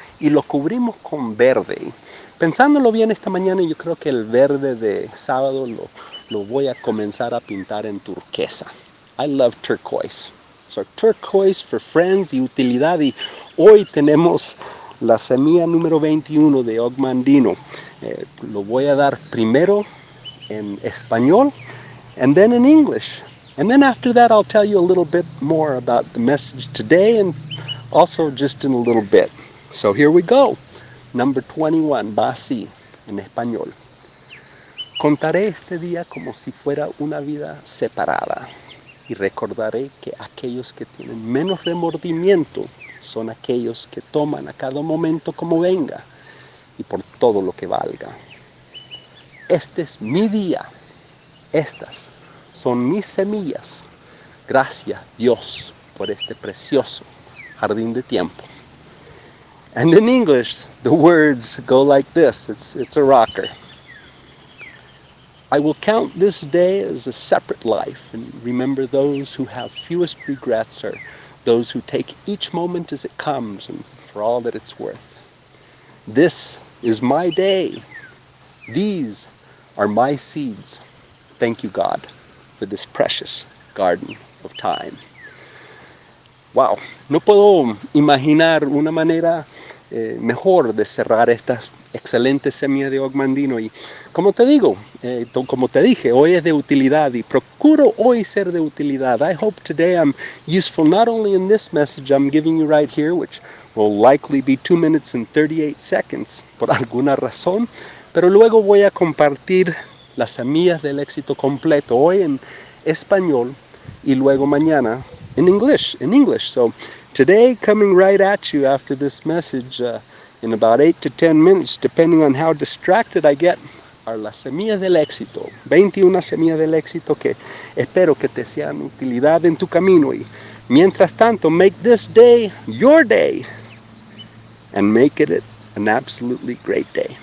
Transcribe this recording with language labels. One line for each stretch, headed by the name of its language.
Spanish: Y lo cubrimos con verde. Pensándolo bien esta mañana, yo creo que el verde de sábado lo voy a comenzar a pintar en turquesa.
English: I love turquoise. So turquoise for friends
Spanish: y utilidad. Y hoy tenemos la semilla número 21 de Ogmandino. Lo voy a dar primero en español
English: and then in English. And then after that I'll tell you a little bit more about the message today and also just in a little bit. So here we go. Number 21
Spanish: va así en español. Contaré este día como si fuera una vida separada. Y recordaré que aquellos que tienen menos remordimiento son aquellos que toman a cada momento como venga y por todo lo que valga. Este es mi día. Estas son mis semillas. Gracias, Dios, por este precioso jardín de tiempo.
English: And in English, the words go like this. It's a rocker. I will count this day as a separate life, and remember those who have fewest regrets are those who take each moment as it comes and for all that it's worth. This is my day. These are my seeds. Thank you, God, for this precious garden of time.
Spanish: Wow, no puedo imaginar una manera mejor de cerrar estas excelentes semillas de Ogmandino. Y como te digo, como te dije, hoy es de utilidad y procuro hoy ser de utilidad.
English: I hope today I'm useful not only in this message I'm giving you right here, which will likely be 2 minutes and 38 seconds
Spanish: por alguna razón, pero luego voy a compartir las semillas del éxito completo hoy en español y luego mañana en inglés.
English: So today, coming right at you after this message, in about 8 to 10 minutes, depending on how distracted I get, are
Spanish: las semillas del éxito. 21 semillas del éxito que espero que te sean utilidad en tu camino. Y mientras tanto,
English: make this day your day and make it an absolutely great day.